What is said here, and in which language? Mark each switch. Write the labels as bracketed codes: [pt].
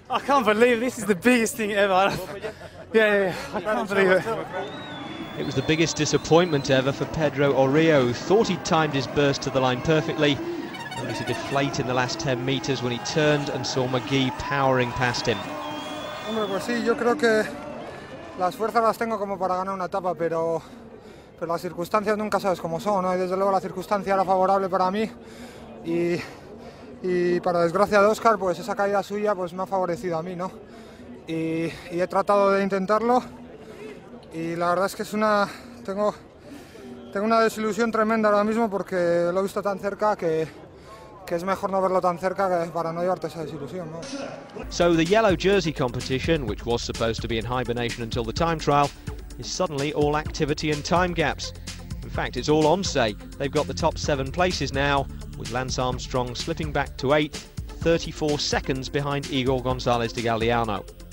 [en] I can't believe it. This is the biggest thing ever. I can't believe it. It was the biggest disappointment ever for Pedro Jarillo. Thought he'd timed his burst to the line perfectly. Only to deflate in the last 10 metres when he turned and saw McGee powering past him. [es] Hombre, pues sí, yo creo que las fuerzas las tengo como para ganar una etapa, pero las circunstancias nunca sabes cómo son, ¿no? Y desde luego la circunstancia era favorable para mí y para desgracia de Óscar, pues esa caída suya pues me ha favorecido a mí, ¿no? Y he tratado de intentarlo y la verdad es que tengo una desilusión tremenda ahora mismo porque lo he visto tan cerca que es mejor no verlo tan cerca que para no llevarte esa desilusión, ¿no? [en] So the yellow jersey competition, which was supposed to be in hibernation until the time trial, is suddenly all activity and time gaps. In fact, it's all on, say. They've got the top seven places now, with Lance Armstrong slipping back to eighth, 34 seconds behind Igor González de Galdeano.